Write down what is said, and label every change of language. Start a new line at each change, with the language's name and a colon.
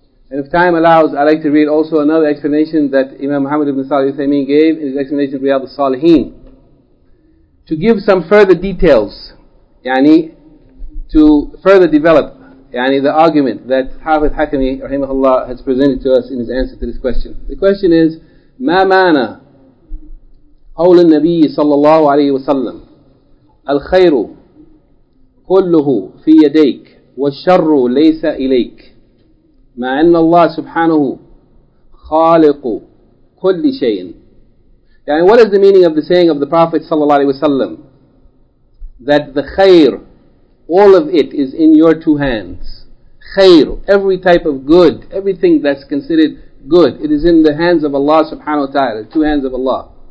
English: And if time allows, I like to read also another explanation that Imam Muhammad ibn Salih al-Uthaymeen gave in his explanation of Riyad al-Salihin, to give some further details, yani, to further develop yani the argument that Hafiz Hakimi rahimahullah has presented to us in his answer to this question. The question is,
Arabic: ما معنى قول النبي صلى الله عليه وسلم الخير كله في يديك والشر ليس إليك مع أن الله سبحانه خالق كل شيء.
English: يعني what is the meaning of the saying of the Prophet صلى الله عليه وسلم that the خير all of it is in your two hands. خير, every type of good, everything that's considered good, it is in the hands of Allah subhanahu wa ta'ala, two hands of Allah.